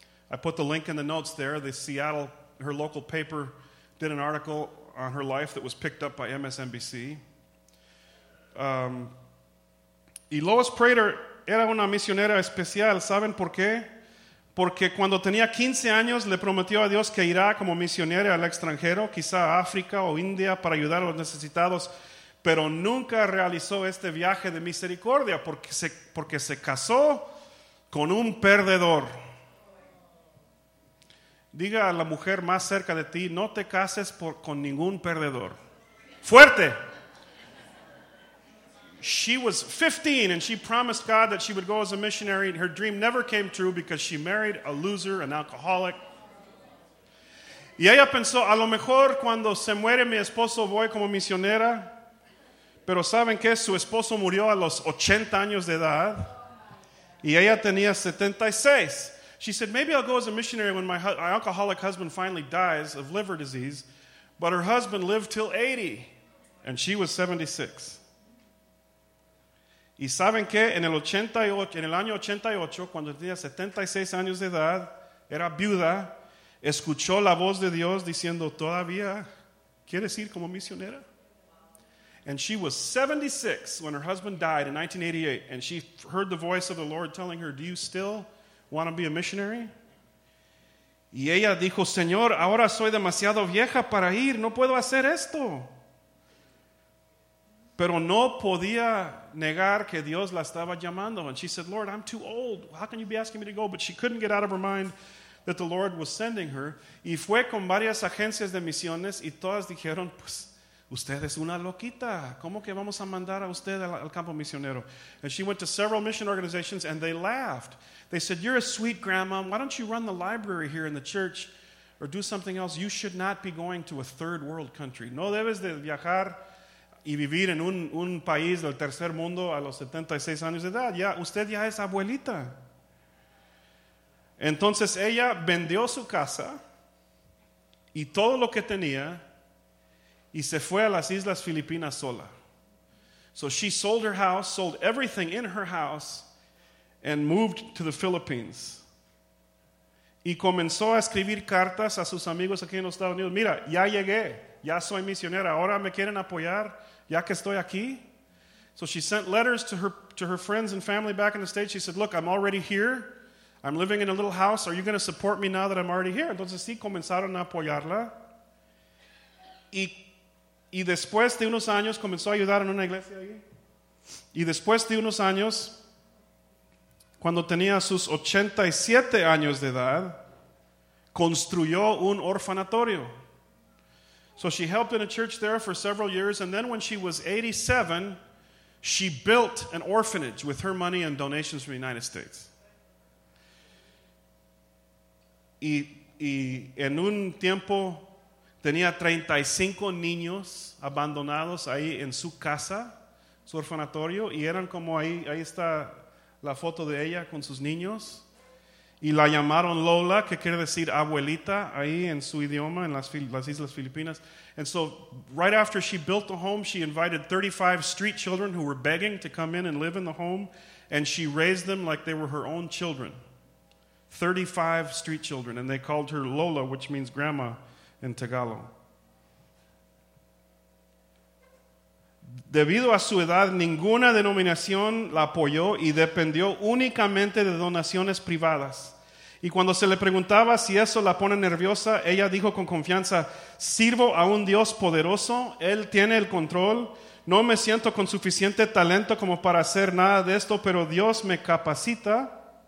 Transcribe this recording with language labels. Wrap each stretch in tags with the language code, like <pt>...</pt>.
<en>I put the link in the notes there. The Seattle, her local paper, did an article on her life that was picked up by MSNBC.</en> <es>Y Lois Prater era una misionera especial, ¿saben por qué? Porque cuando tenía 15 años le prometió a Dios que irá como misionera al extranjero, quizá a África o India, para ayudar a los necesitados, pero nunca realizó este viaje de misericordia porque se casó con un perdedor. Diga a la mujer más cerca de ti, no te cases con ningún perdedor. ¡Fuerte!</es> <en>She was 15 and she promised God that she would go as a missionary. Her dream never came true because she married a loser, an alcoholic.</en> <es>Y ella pensó, a lo mejor cuando se muere mi esposo voy como misionera. Pero ¿saben qué? Su esposo murió a los 80 años de edad. Y ella tenía 76.</es> <en>She said, maybe I'll go as a missionary when my alcoholic husband finally dies of liver disease. But her husband lived till 80 and she was 76.</en> <es>Y saben que en el 88, en el año 88, cuando tenía 76 años de edad, era viuda, escuchó la voz de Dios diciendo, ¿todavía quieres ir como misionera?</es> <en>And she was 76 when her husband died in 1988, and she heard the voice of the Lord telling her, do you still want to be a missionary?</en> <es>Y ella dijo, Señor, ahora soy demasiado vieja para ir, no puedo hacer esto. Pero no podía negar que Dios la estaba llamando.</es> <en>And she said, Lord, I'm too old. How can you be asking me to go? But she couldn't get out of her mind that the Lord was sending her.</en> <es>Y fue con varias agencias de misiones y todas dijeron, pues, usted es una loquita. ¿Cómo que vamos a mandar a usted al campo misionero?</es> <en>And she went to several mission organizations and they laughed. They said, you're a sweet grandma. Why don't you run the library here in the church or do something else? You should not be going to a third world country.</en> <es>No debes de viajar y vivir en un país del tercer mundo a los 76 años de edad. Ya, usted ya es abuelita. Entonces ella vendió su casa y todo lo que tenía y se fue a las Islas Filipinas sola.</es> <en>So she sold her house, sold everything in her house and moved to the Philippines.</en> <es>Y comenzó a escribir cartas a sus amigos aquí en los Estados Unidos. Mira, ya llegué, ya soy misionera, ahora me quieren apoyar. Ya que estoy aquí.</es> <en>So she sent letters to her friends and family back in the States. She said, look, I'm already here. I'm living in a little house. Are you going to support me now that I'm already here?</en> <es>Entonces sí comenzaron a apoyarla. Y después de unos años comenzó a ayudar en una iglesia ahí. Y después de unos años, cuando tenía sus 87 años de edad, construyó un orfanatorio.</es> <en>So she helped in a church there for several years, and then when she was 87, she built an orphanage with her money and donations from the United States.</en> <es>Y en un tiempo tenía 35 niños abandonados ahí en su casa, su orfanatorio, y eran como ahí está la foto de ella con sus niños. Y la llamaron Lola, que quiere decir abuelita, ahí en su idioma, en las Islas Filipinas.</es> <en>And so, right after she built the home, she invited 35 street children who were begging to come in and live in the home, and she raised them like they were her own children. 35 street children, and they called her Lola, which means grandma in Tagalog.</en> <es>Debido a su edad, ninguna denominación la apoyó y dependió únicamente de donaciones privadas. Y cuando se le preguntaba si eso la pone nerviosa, ella dijo con confianza, sirvo a un Dios poderoso, Él tiene el control, no me siento con suficiente talento como para hacer nada de esto, pero Dios me capacita.</es>